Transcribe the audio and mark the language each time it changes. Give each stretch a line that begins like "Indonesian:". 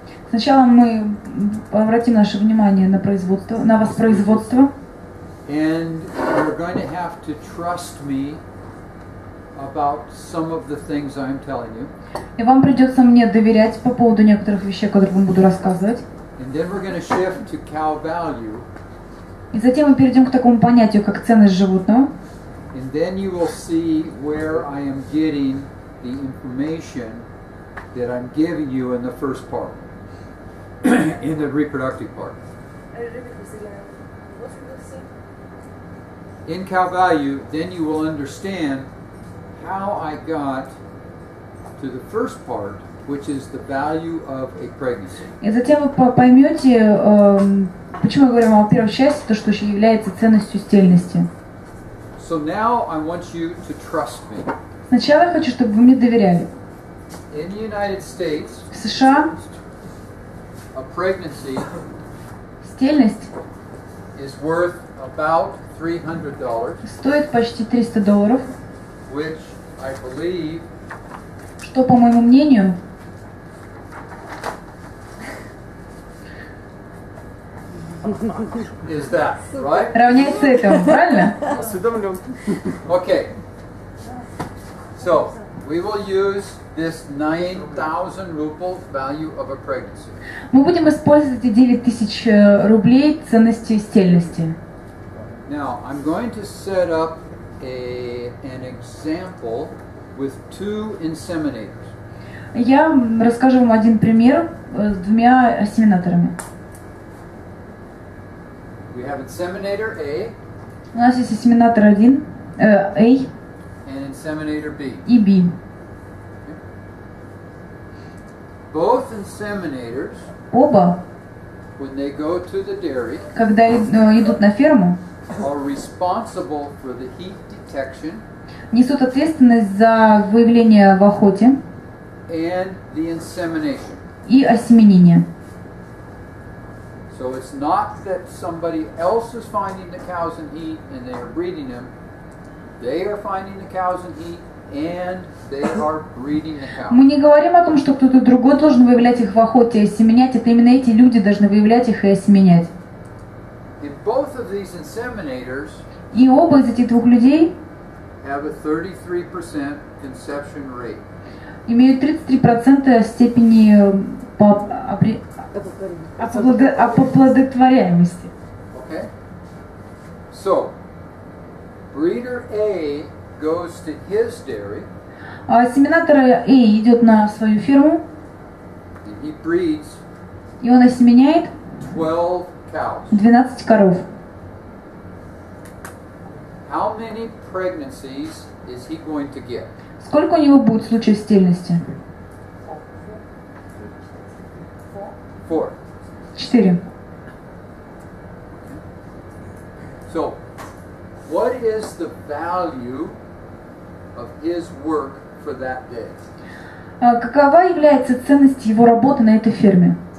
Russian: Сначала мы обратим наше внимание на производство, на воспроизводство.
English: And you're going to have to trust me about some of the things I'm telling you.
Russian: И вам придется мне доверять по поводу некоторых вещей, которые вам буду рассказывать.
English: And then we're going to shift to cow value.
Russian: И затем мы перейдем к такому понятию, как ценность животного.
English: And then you will see where I am getting the information that I'm giving you in the first part, in the reproductive part. In cow value, then you will understand how I got to the first part, which is the value of a pregnancy.
Russian: И затем вы поймете, почему я говорю вам о первой части, то, что является ценностью стерильности.
English: So now I want you to trust me.
Russian: Сначала я хочу, чтобы вы мне доверяли.
English: In the United States,
Russian: в США,
English: a pregnancy,
Russian: стерильность,
English: is worth about $300.
Russian: Стоит почти $300.
English: Which I believe,
Russian: что, по моему мнению,
English: is that, right?
Russian: Равняется этому, правильно? Осведомлен.
English: Okay. So, we will use this 9,000 rubles value of a pregnancy.
Russian: Мы будем использовать эти 9,000 рублей ценности стерильности.
English: Now, I'm going to set up an example with two inseminators.
Russian: Я расскажу вам один пример с двумя осеминаторами.
English: We have inseminator A.
Russian: У нас есть осеминатор один, A.
English: And inseminator B.
Russian: И B.
English: Both inseminators.
Russian: Оба.
English: When they go to the dairy.
Russian: Когда идут на ферму.
English: Are responsible for the heat detection.
Russian: Несут ответственность за выявление в охоте.
English: And the insemination.
Russian: И осеменение.
English: So it's not that somebody else is finding the cows and heat and they are breeding them. They are finding the cows and heat and they are breeding the cows.
Russian: Мы не говорим о том, что кто-то другой должен выявлять их в охоте и осеменять. Это именно эти люди должны выявлять их и осеменять.
English: And both of these inseminators.
Russian: И оба из этих двух людей.
English: Have a 33% conception rate.
Russian: Имеют 33% степени по оплодотворяемости.
English: Okay. So, breeder A goes to his dairy.
Russian: Осеминатор A идет на свою ферму.
English: And he breeds.
Russian: И он осеменяет.
English: 12 cows.
Russian: 12 коров.
English: How many pregnancies is he going to get?
Russian: Сколько у него будет случаев стерильности?
English: 4. So, what is the value of his work for that day?
Russian: Какова является ценность его работы на этой ферме?